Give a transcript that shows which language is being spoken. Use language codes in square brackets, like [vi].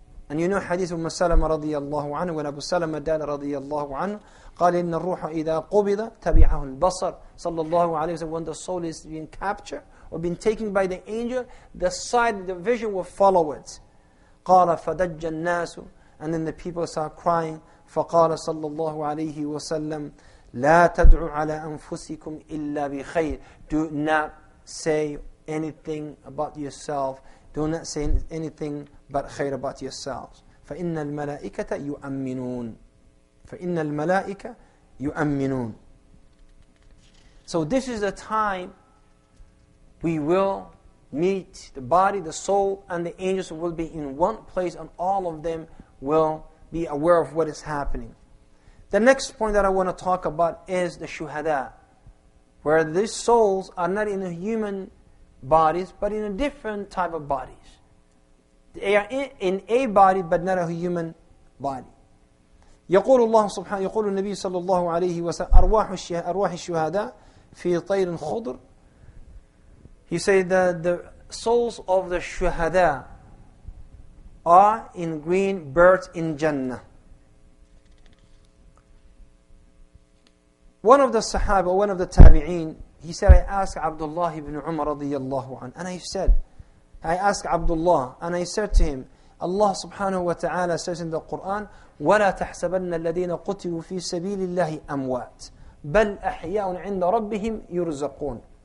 [en] And you know hadith of Umm Salama radiyallahu anhu, when Abu Salama died radiyallahu anhu, [ar] قال إن الروح إذا قبض تبعه البصر صلى الله عليه وسلم. [en] When the soul is being captured or being taken by the angel, the sight, the vision will follow it. [ar] قال فدج الناس, [en] and then the people start crying. [ar] فقال صلى الله عليه وسلم لا تدعوا على أنفسكم إلا بخير. [en] Do not say anything about yourself. Do not say anything but [ar] خير [en] about yourselves. [ar] فإن الملائكة يؤمنون. فَإِنَّ الْمَلَائِكَ يُؤَمِّنُونَ. [en] So this is the time we will meet the body, the soul, and the angels will be in one place, and all of them will be aware of what is happening. The next point that I want to talk about is the shuhada, where these souls are not in the human bodies, but in a different type of bodies. They are in a body, but not a human body. [ar] يقول الله سبحانه يقول النبي صلى الله عليه وسلم أرواح أرواح الشهداء في طير خضر. [en] He said that the souls of the shuhada are in green birds in Jannah. One of the Sahaba, one of the Tabi'een, he said, I asked Abdullah ibn Umar [ar] رضي الله عنه, [en] and I asked Abdullah, and I said to him, Allah subhanahu wa ta'ala says in the Quran, [ar] وَلَا تَحْسَبَنَّ الَّذِينَ قُتِلُوا فِي سَبِيلِ اللَّهِ أَمْوَاتِ بَلْ أَحْيَاءٌ عِنْدَ رَبِّهِمْ يُرْزَقُونَ.